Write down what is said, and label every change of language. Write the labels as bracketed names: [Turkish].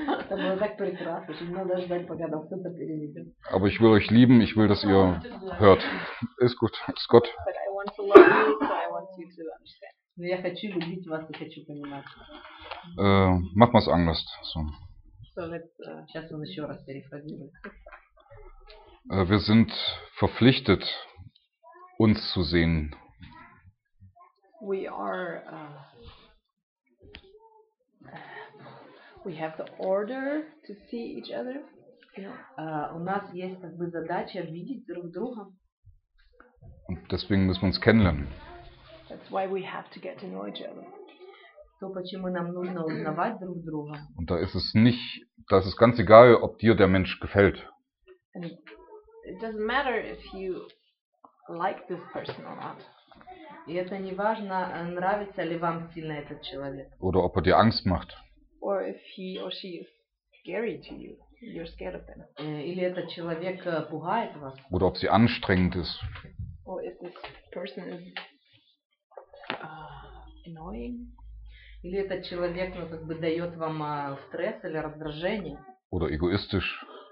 [Russian] Это было так прекрасно, что мне надо ждать, пока нам кто-то переведет. [German] Aber ich will euch lieben, ich will, dass ihr hört. Ist gut, ist Gott. [English] But I want to love you, so I want you to understand. [Russian] Но я хочу любить вас, я хочу понимать. [German] Mach mal's anders. So. [Russian] So сейчас он еще раз перефразирует. [German] Wir sind verpflichtet, uns zu sehen. [English] We are we have the order to see each other. [Russian] У нас есть как бы задача видеть друг друга. [German] Und deswegen müssen wir uns kennenlernen. [English] That's why we have to get to know each other. [Russian] То, почему нам нужно узнавать друг друга. [German] Und da ist es nicht, das ist ganz egal, ob dir der Mensch gefällt. [English] And it doesn't matter if you like this person or not. [Russian] И это не важно, нравится ли вам сильно этот человек. [German] Oder ob er dir Angst macht. [English] Or if he or she is scary to you. You're scared of them. [Russian] Или этот человек пугает вас. [German] Oder ob sie anstrengend ist. [English] Or if this person is annoying. [Russian] Или этот человек, ну, как бы дает вам стресс или раздражение. [German] Oder egoistisch.